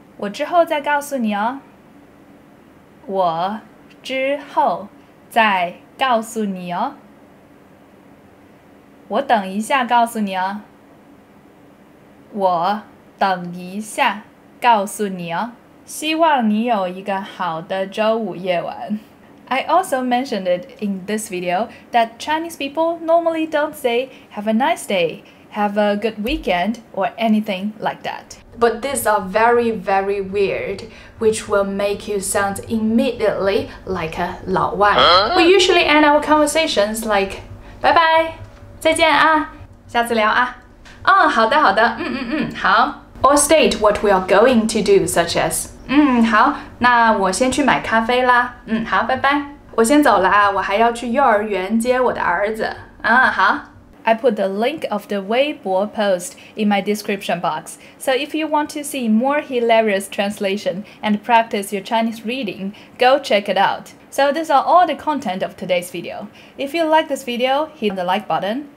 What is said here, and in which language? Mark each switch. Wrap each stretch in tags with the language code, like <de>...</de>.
<zh>我之后再告诉你哦。我之后再告诉你哦。我等一下告诉你哦。我等一下告诉你哦。希望你有一个好的周五夜晚。</zh> <en>I also mentioned it in this video that Chinese people normally don't say have a nice day, have a good weekend, or anything like that. But these are very, very weird, which will make you sound immediately like a 老外. We usually end our conversations like, bye bye,</en> <zh>再见啊，下次聊啊。哦，好的，好的，嗯嗯嗯，好。</zh> <en>Or state what we are going to do, such as,</en> <zh>嗯，好，那我先去买咖啡啦。嗯，好，拜拜。我先走了啊，我还要去幼儿园接我的儿子。啊，好。</zh> <en>I put the link of the Weibo post in my description box. So if you want to see more hilarious translation and practice your Chinese reading, go check it out. So these are all the content of today's video. If you like this video, hit the like button.</en>